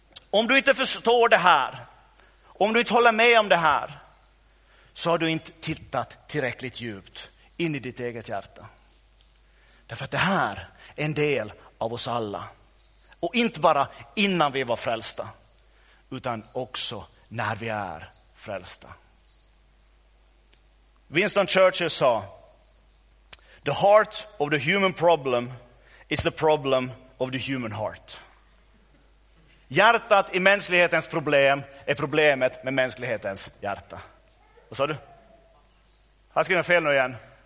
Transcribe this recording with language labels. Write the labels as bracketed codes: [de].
[sv] Om du inte förstår det här, om du inte håller med om det här, så har du inte tittat tillräckligt djupt in i ditt eget hjärta. Därför att det här är en del av oss alla. Och inte bara innan vi var frälsta, utan också när vi är frälsta. Winston Churchill sa: [en] "The heart of the human problem is the problem of the human heart." [sv] Hjärtat i mänsklighetens problem är problemet med mänsklighetens hjärta. Vad sa du? Har jag skrivit fel nu igen?